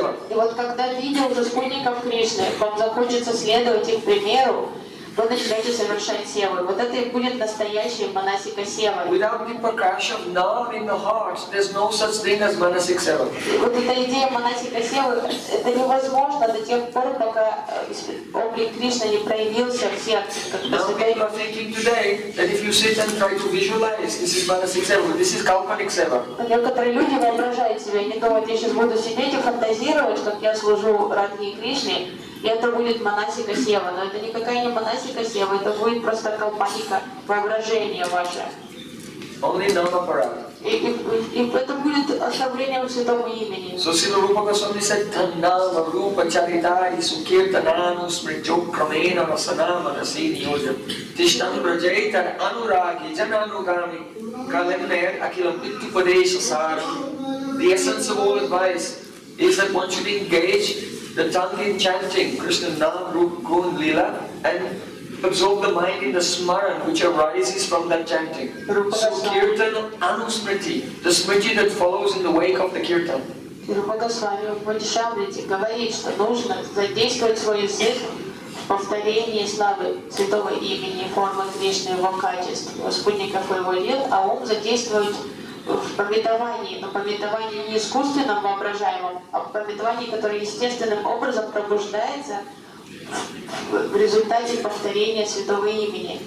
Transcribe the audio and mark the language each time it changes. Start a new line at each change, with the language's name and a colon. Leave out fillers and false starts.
Russian: И вот когда видел уже спутников Кришны, вам захочется следовать их примеру, вы начнете совершать севу. Вот это и будет настоящий манасика сева.
English: Without the prakasha of nam in the heart, there's no such thing as manasik seva.
Russian: Вот эта идея манасика севы, это невозможно до тех пор, пока облик Кришны не проявился в сердце.
English: Now people are thinking today that if you sit and try to visualize, this is manasik seva, this is kalpanik seva.
Russian: Некоторые люди воображают себя, они думают, я сейчас буду сидеть и фантазировать, как я служу Радхе Кришне. И это будет манасика сева, но это никакая не манасика сева, это будет просто калпаника, воображение ваше.
English: Only nama parad.
Russian: И это будет оскорблением святого имени.
English: So Srila Rupa Goswami said,
Sanskrit: Tannama Rupa Charitari Sukirtananu Smrityo Kramena Vasana Manasi Niyojam Tishtam Rajaita Anuragi Jananugami Kalimner Akhilam Vittu Padesha Sara.
English: The essence of all advice is that one should engage the tongue in chanting Krishna Nam Rup Gun Lila and absorb the mind in the smaran which arises from that chanting. So kirtan anusmriti, the smriti that follows in the wake of the kirtan.
Russian: Благословил Бодхисаттву говорит, что нужно задействовать свой язык в повторении славы святого имени и формы Кришны, его качеств, его спутников и его лил, а ум задействует в памятовании, но памятовании не искусственном воображаемом, а в памятовании, которое естественным образом пробуждается в результате повторения святого имени.